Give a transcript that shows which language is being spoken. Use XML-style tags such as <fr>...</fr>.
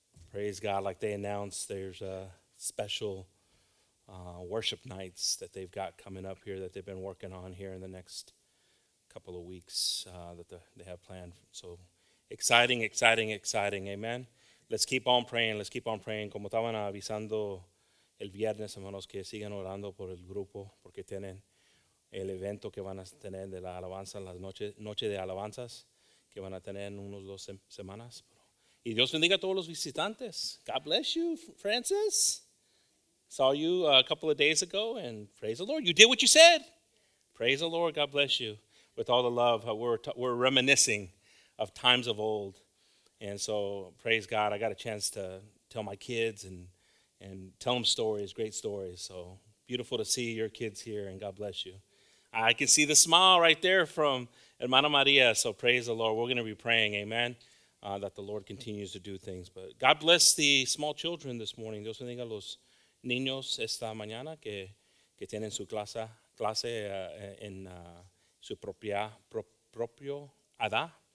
<en>Praise God. Like they announced, there's a special worship nights that they've got coming up here that they've been working on here in the next couple of weeks that they have planned. So exciting, exciting, exciting. Amen. Let's keep on praying. Let's keep on praying.</en> <es>Como estaban avisando el viernes, hermanos, que sigan orando por el grupo porque tienen el evento que van a tener de la alabanza, las noche de alabanzas que van a tener en unos dos semanas. Y Dios bendiga a todos los visitantes.</es> <en>God bless you, Francis. Saw you a couple of days ago, and praise the Lord. You did what you said. Praise the Lord. God bless you. With all the love, we're reminiscing of times of old. And so, praise God. I got a chance to tell my kids and tell them stories, great stories. So, beautiful to see your kids here, and God bless you. I can see the smile right there from Hermana Maria. So, praise the Lord. We're going to be praying. Amen. That the Lord continues to do things. But God bless the small children this morning.</en> <es>Dios bendiga a los niños esta mañana que tienen su clase en su propio edad.</es>